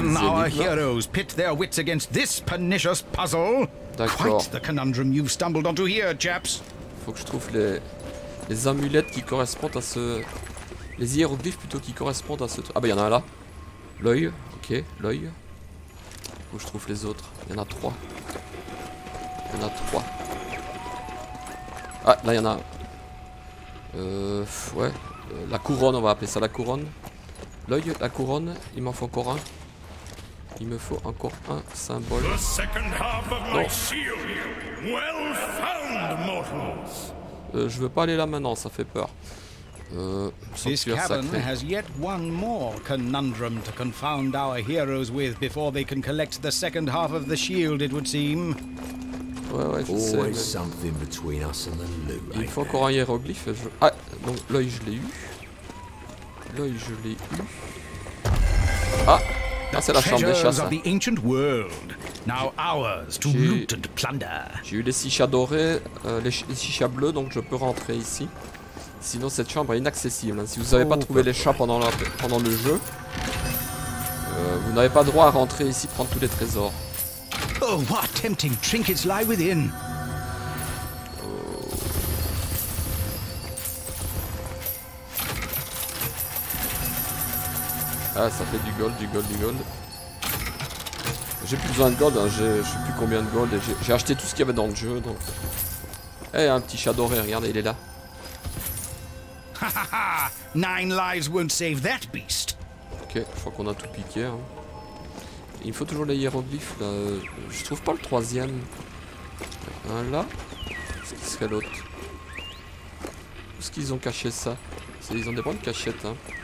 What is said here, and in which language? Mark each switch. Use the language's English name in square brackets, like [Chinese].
[English] Can our heroes pit their wits against this pernicious puzzle? [French] D'accord. [English] Quite the conundrum you've stumbled onto here, chaps. [French] Faut que je trouve les amulettes qui correspondent à ce... Les hiéroglyphes plutôt qui correspondent à ce... Ah bah, il y en a un là. L'œil, ok, l'œil. Faut que je trouve les autres. Il y en a trois. Il y en a trois. Ah, là il y en a. Ouais. La couronne, on va appeler ça la couronne. L'œil, la couronne. Il m'en faut encore un. Il me faut encore un symbole. [English] The second half of my shield. Well found, mortals. [French] Je veux pas aller là maintenant, ça fait peur. [English] This cabin has yet one more conundrum to confound our heroes with before they can collect the second half of the shield, it would seem. [French] Ouais, ouais, je [English] Always [French] sais, mais... [English] something between us and the loot. [French] Il faut encore un hiéroglyphe. Je... Ah, donc l'œil, je l'ai eu. L'œil, je l'ai eu. Ah, là, c'est la chambre des chats. [English] Of the ancient world, now ours to loot and plunder. [French] J'ai eu les six chats dorés, les six chats bleus, donc je peux rentrer ici. Sinon cette chambre est inaccessible. Si vous n'avez pas trouvé les chats pendant, pendant le jeu, vous n'avez pas droit à rentrer ici prendre tous les trésors. [English] Oh, what tempting trinkets lie within. [French] Ah, ça fait du gold, du gold, du gold. J'ai plus besoin de gold, hein. J'ai, je sais plus combien de gold. Et j'ai acheté tout ce qu'il y avait dans le jeu. Donc, eh, un petit chat doré, regardez, il est là. [English] Nine lives won't save that beast. [French] Ok, je crois qu'on a tout piqué. Hein. Il me faut toujours les hiéroglyphes là. Je trouve pas le troisième. Un là. Est-ce qu'il serait l'autre? Où est-ce qu'ils ont caché ça? C'est, ils ont des bonnes cachettes. Hein.